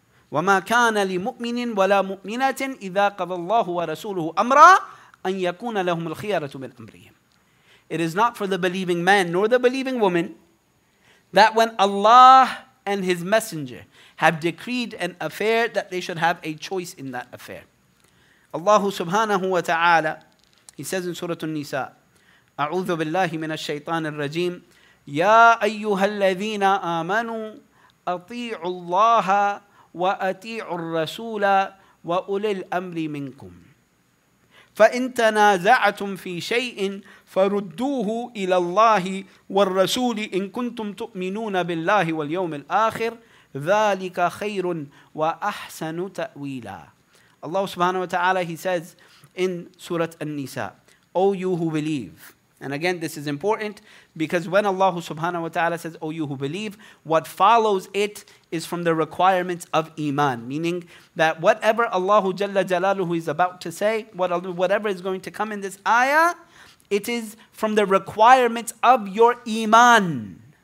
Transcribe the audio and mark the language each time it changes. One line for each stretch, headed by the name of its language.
Arabic: وَمَا كَانَ لِمُؤْمِنٍ وَلَا مُؤْمِنَةٍ إِذَا قَضَى اللَّهُ وَرَسُولُهُ أَمْرًا أَنْ يَكُونَ لَهُمُ الْخِيَرَةُ مِنْ أَمْرِهِمْ.
English: It is not for the believing man nor the believing woman that when Allah and His Messenger have decreed an affair that they should have a choice in that affair. Allah subhanahu wa ta'ala, He says in Surah An-Nisa,
Arabic: أَعُوذُ بِاللَّهِ مِنَ الشَّيْطَانِ الرَّجِيمِ يَا أَيُّهَا الَّذِينَ آمَنُوا أَطِيعُوا اللَّهَ وَأَتِيعُ الرَّسُولَ وَأُولِي الْأَمْرِ مِنْكُمْ فَإِنْ تَنَازَعْتُمْ فِي شَيْءٍ فَرُدُّوهُ إِلَى اللَّهِ وَالرَّسُولِ إِنْ كُنْتُمْ تُؤْمِنُونَ بِاللَّهِ وَالْيَوْمِ الْآخِرِ ذَلِكَ خَيْرٌ وَأَحْسَنُ تَأْوِيلًا.
English: Allah subhanahu wa ta'ala, He says in Surah An-Nisa, O you who believe. And again, this is important because when Allah subhanahu wa ta'ala says, O you who believe, what follows it is from the requirements of Iman. Meaning that whatever Allah Jalla Jalaluhu is about to say, whatever is going to come in this ayah, it is from the requirements of your Iman.